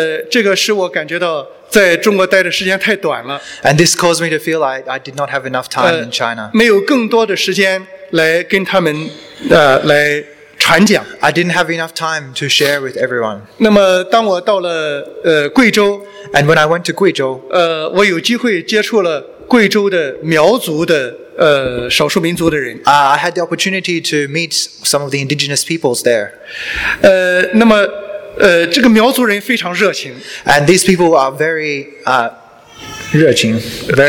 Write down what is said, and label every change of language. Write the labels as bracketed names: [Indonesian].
[Chinese] 这个使我感觉到在中国待的时间太短了。 [English] And this caused me to feel like I did not have enough time in China. [Chinese] 没有更多的时间来跟他们来传讲。 [English] I didn't have enough time to share with everyone. [Chinese] 那么当我到了贵州， [English] And when I went to 贵州， [Chinese] 我有机会接触了贵州的苗族的少数民族的人。 [English] I had the opportunity to meet some of the indigenous peoples there. [Chinese] 那么这个苗族人非常热情。 [English] And these people are very 热情， very